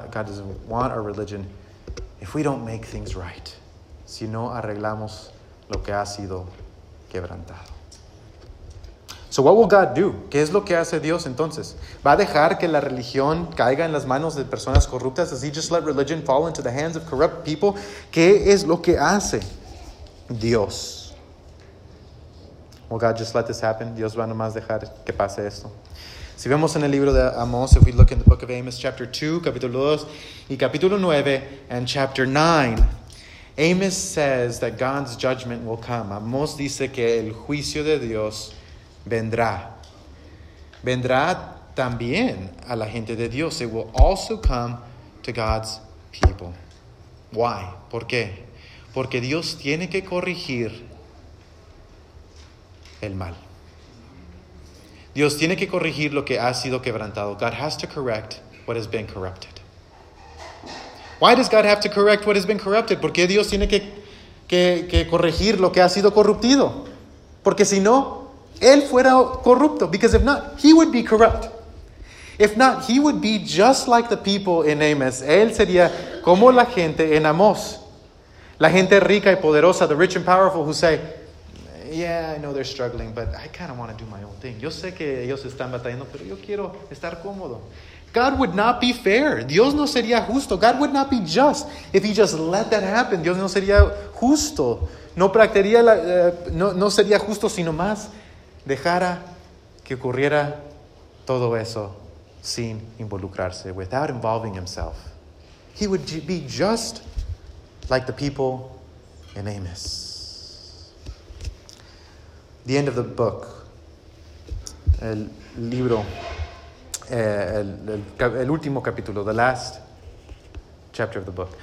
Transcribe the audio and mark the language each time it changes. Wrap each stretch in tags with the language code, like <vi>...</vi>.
<en>God doesn't want our religion if we don't make things right.</en> <es>Si no arreglamos lo que ha sido quebrantado.</es> <en>So what will God do?</en> <es>¿Qué es lo que hace Dios entonces? ¿Va a dejar que la religión caiga en las manos de personas corruptas?</es> <en>Does he just let religion fall into the hands of corrupt people?</en> <es>¿Qué es lo que hace Dios?</es> <en>Will God just let this happen?</en> <es>¿Dios va nomás dejar que pase esto? Si vemos en el libro de Amos,</es> <en>if we look in the book of Amos, chapter 2,</en> <es>capítulo 2, y capítulo 9,</es> <en>and chapter 9, Amos says that God's judgment will come.</en> <es>Amos dice que el juicio de Dios vendrá. Vendrá también a la gente de Dios.</es> <en>It will also come to God's people. Why?</en> <es>¿Por qué? Porque Dios tiene que corregir el mal. Dios tiene que corregir lo que ha sido quebrantado.</es> <en>God has to correct what has been corrupted. Why does God have to correct what has been corrupted?</en> <es>¿Por qué Dios tiene que corregir lo que ha sido corruptido? Porque si no, él fuera corrupto.</es> <en>Because if not, he would be corrupt. If not, he would be just like the people in Amos.</en> <es>Él sería como la gente en Amos. La gente rica y poderosa,</es> <en>the rich and powerful, who say, yeah, I know they're struggling, but I kind of want to do my own thing.</en> <es>Yo sé que ellos están batallando, pero yo quiero estar cómodo.</es> <en>God would not be fair.</en> <es>Dios no sería justo.</es> <en>God would not be just if he just let that happen.</en> <es>Dios no sería justo. No practicaría la, no sería justo, sino más dejara que ocurriera todo eso sin involucrarse,</es> <en>without involving himself. He would be just like the people in Amos. The end of the book.</en> <es>El libro, el último capítulo,</es> <en>the last chapter of the book.</en>